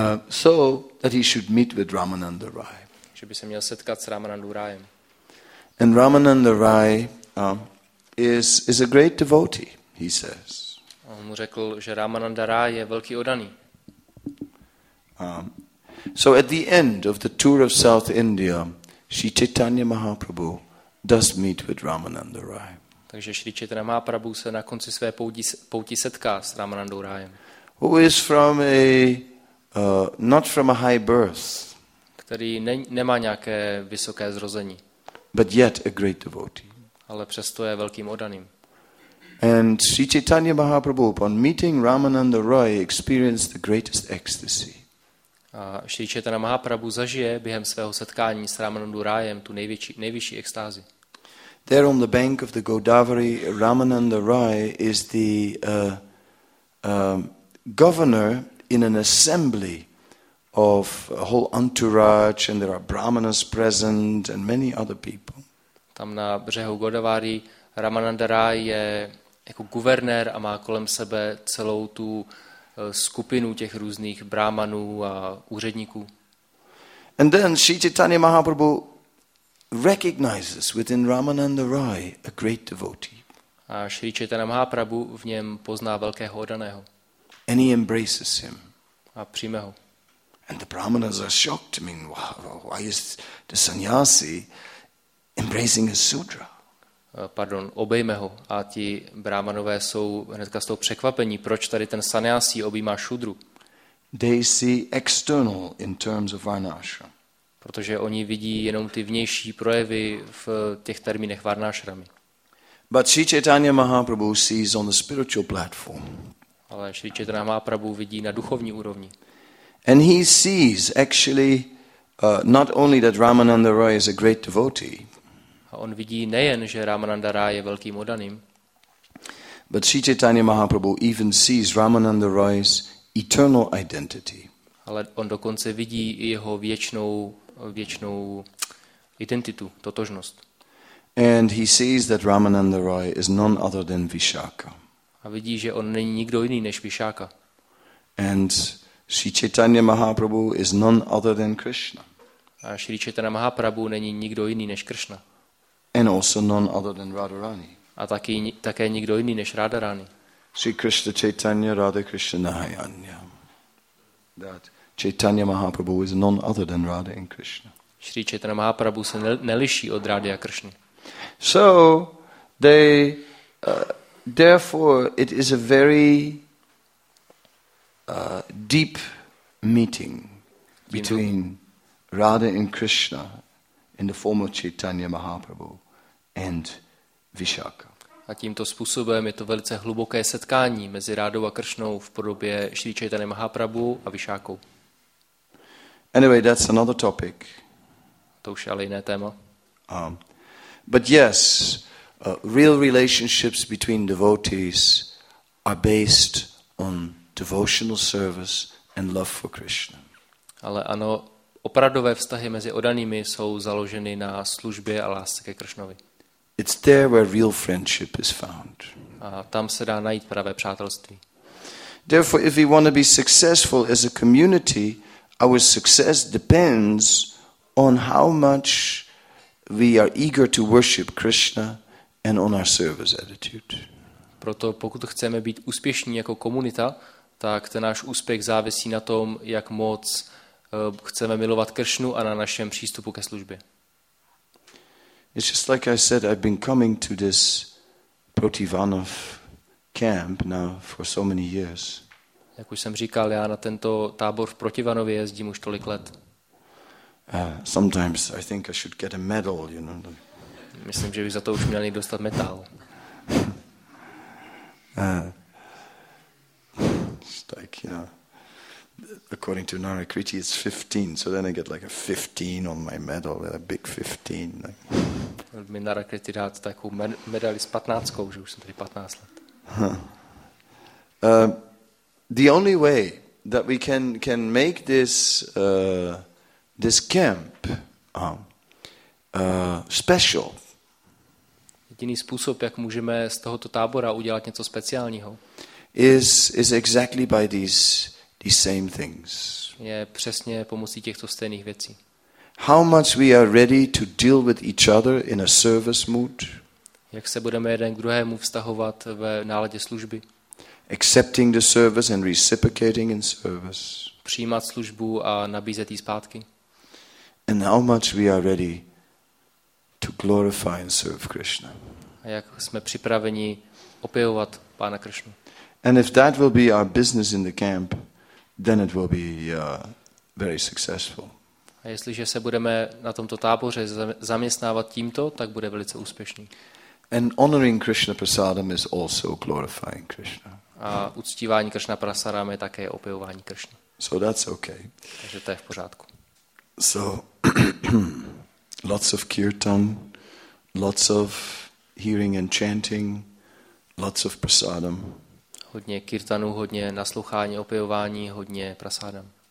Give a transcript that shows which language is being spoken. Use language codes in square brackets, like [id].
[en] So that he should meet with Ramananda Rai. [cs] Že by se měl setkat s Ramanandou Rájem. [en] And Ramananda Rai is a great devotee, he says. [cs] On mu řekl, že Ramananda Rai je velký oddaný. [en] So at the end of the tour of South India, Sri Chaitanya Mahaprabhu does meet with Ramananda Rai. [cs] Takže Šri Chaitanya Mahaprabhu se na konci své pouti setká s Ramanandou Rájem. [en] Who is from a not from a high birth. [cs] Který nemá nějaké vysoké zrození. [en] But yet a great devotee. [cs] Ale přesto je velkým oddaným. [en] And Sri Chaitanya Mahaprabhu upon meeting Ramananda Roy experienced the greatest ecstasy. [cs] A Sri Chaitanya Mahaprabhu zažije během svého setkání s Ramanandou Rájem tu nejvyšší extázi. [en] There on the bank of the Godavari, Ramananda Roy is the governor in an assembly of a whole entourage, and there are brahmanas present and many other people. [cs] Tam na břehu Godavari Ramananda Roy je jako guvernér a má kolem sebe celou tu skupinu těch různých brahmanů a úředníků. [en] And then Sri Chaitanya Mahaprabhu recognizes within Ramananda Roy a great devotee. [cs] A Sri Chaitanya Mahaprabhu v něm pozná velkého oddaného. [en] And he embraces him. [cs] A přijme ho. [en] And the brahmanas are shocked. I mean, why is the sannyasi embracing a sudra? [cs] Pardon, obejme ho. A ti brahmanové jsou hnedka z toho překvapení, proč tady ten sannyasi obejímá šudru. [en] They see external in terms of varnashram. [cs] Protože oni vidí jenom ty vnější projevy v těch termínech varnashrami. [en] But Sri Chaitanya Mahaprabhu sees on the spiritual platform. [cs] Ale Sri Chaitanya Mahaprabhu vidí na duchovní úrovni. [en] And he sees actually not only that Ramananda Roy is a great devotee. [cs] A on vidí nejen, že Ramananda Roy je velkým oddaným. [en] But Sri Chaitanya Mahaprabhu even sees Ramananda Roy's eternal identity. [cs] Ale on dokonce vidí i jeho věčnou identitu, totožnost. [en] And he sees that Ramananda Roy is none other than Vishaka. [cs] A vidí, že on není nikdo jiný než Vishaka. [en] And Sri Chaitanya Mahaprabhu is none other than Krishna. [cs] A Sri Chaitanya Mahaprabhu není nikdo jiný než Krishna. [en] And also none other than Radharani. [cs] A také nikdo jiný než Radharani. [sa] Sri Krishna Chaitanya Radha Krishna Nahayanya. [en] That Chaitanya Mahaprabhu is none other than Radha and Krishna. [cs] Sri Chaitanya Mahaprabhu se neliší od Rády a Krishny. [en] So they therefore it is a very deep meeting between Radha and Krishna in the form of Chaitanya Mahaprabhu and Vishaka. [cs] A tímto způsobem je to velice hluboké setkání mezi Rádou a Kršnou v podobě Šri Chaitanya Mahaprabhu a Vishakou. [en] Anyway, that's another topic. [cs] To už je ale jiné téma. [en] But yes, real relationships between devotees are based on devotional service and love for Krishna. [cs] Ale ano, opravdové vztahy mezi oddanými jsou založeny na službě a lásce ke Kršnovi. [en] It's there where real friendship is found. [cs] A tam se dá najít pravé přátelství. [en] Therefore, if we want to be successful as a community, our success depends on how much we are eager to worship Krishna and on our service attitude. [cs] Proto pokud chceme být úspěšní jako komunita, tak ten náš úspěch závisí na tom, jak moc chceme milovat Kršnu a na našem přístupu ke službě. [en] It's just like I said, I've been coming to this Protivanov camp now for so many years. [cs] Jak už jsem říkal, já na tento tábor v Protivanově jezdím už tolik let. [en] Sometimes I think I should get a medal, you know. [cs] Myslím, že bych za to už měl někdo dostat medál. [en] According to Narakriti, it's 15, so then I get like a 15 on my medal, a big 15. [cs] Měl mi Narakriti dát takovou medaili s 15, že už jsem tady 15 let. [en] The only way that we can make this this camp special. [cs] Jediný způsob, jak můžeme z tohoto tábora udělat něco speciálního, [en] is exactly by these same things. [cs] Je přesně pomocí těchto stejných věcí. [en] How much we are ready to deal with each other in a service mood? [cs] Jak se budeme jeden k druhému vztahovat ve náladě služby? [en] Accepting the service and reciprocating in service. [cs] Přijímat službu a nabízet jí zpátky. [en] And how much we are ready to glorify and serve Krishna. [cs] jak jsme připraveni opěvovat Pána Krišnu. [en] And if that will be our business in the camp, then it will be very successful. [cs] A jestliže se budeme na tomto táboře zaměstnávat tímto, tak bude velice úspěšný. [en] And honoring Krishna prasadam is also glorifying Krishna. [cs] A uctívání Krishna prasadam je také opěvování Krishna. [en] So that's okay. [cs] Takže to je v pořádku. [en] So lots of kirtan, lots of hearing and chanting, lots of prasadam. [cs] Hodně kirtanu, hodně naslouchání, opěvování, hodně prasadam.